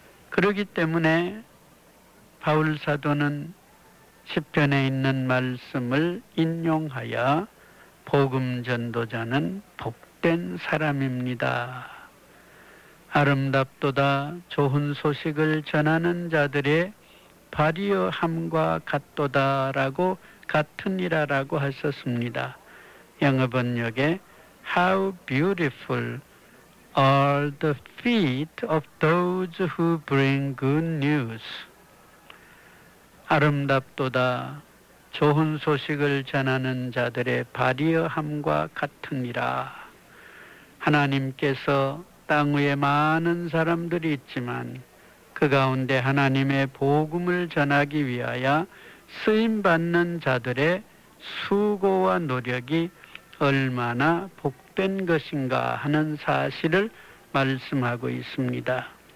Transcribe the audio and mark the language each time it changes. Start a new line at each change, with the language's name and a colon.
Korean: 그러기 때문에 바울 사도는 시편에 있는 말씀을 인용하여 복음 전도자는 복된 사람입니다. 아름답도다 좋은 소식을 전하는 자들의 발이어함과 같도다라고 같으니라라고 하셨습니다. 영어 번역에
English: How beautiful are the feet of those who bring good news.
Korean: 아름답도다 좋은 소식을 전하는 자들의 발이어함과 같으니라. 하나님께서 땅 위에 많은 사람들이 있지만 그 가운데 하나님의 복음을 전하기 위하여 쓰임받는 자들의 수고와 노력이 얼마나 복된 것인가 하는 사실을 말씀하고 있습니다.